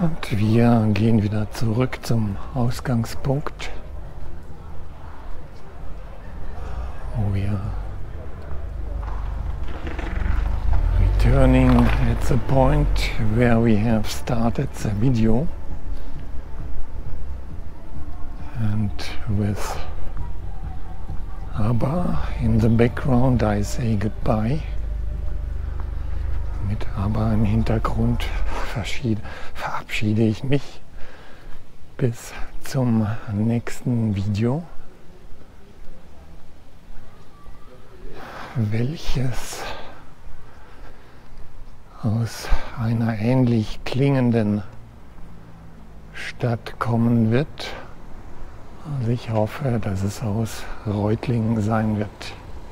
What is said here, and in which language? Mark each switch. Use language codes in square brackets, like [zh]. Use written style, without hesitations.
[de] Wir gehen wieder zurück zum Ausgangspunkt, wo wir [en] returning at the point where we have started the video, and with Abba in the background I say goodbye. [de] Mit Abba im Hintergrund verabschiede ich mich bis zum nächsten Video, welches aus einer ähnlich klingenden Stadt kommen wird. Also ich hoffe, dass es aus Reutlingen sein wird.